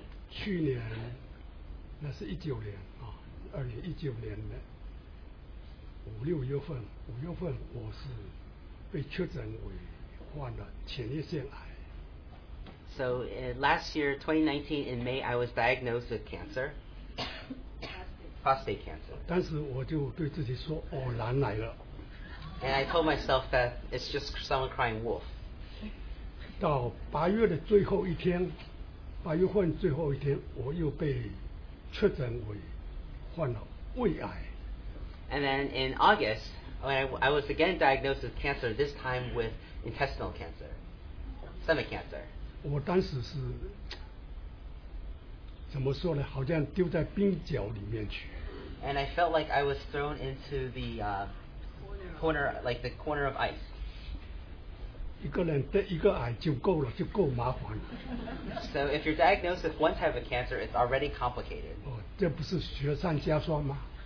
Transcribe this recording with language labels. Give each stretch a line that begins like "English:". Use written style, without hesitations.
Chinese: 去年，那是一九年啊，二零一九年的五六月份，我是被确诊为患了前列腺癌。
English: So last year, 2019 in May, I was diagnosed with cancer, prostate cancer.
Chinese: 当时我就对自己说，哦，狼来了。
English: And I told myself that it's just someone crying wolf.
Chinese: 到八月的最后一天，八月份最后一天，我又被确诊为患了胃癌。
English: And then in August, I was again diagnosed with cancer. This time with intestinal cancer. stomach cancer.
Chinese: 我当时是 怎么说呢, 好像丢在冰角里面去。
English: And I felt like I was thrown into the corner, like the corner of ice.
Chinese: 一个人得一个癌就够了, 就够麻烦了。
English: So if you're diagnosed with one type of cancer, it's already complicated.
Chinese: 哦, 这不是雪上加霜吗?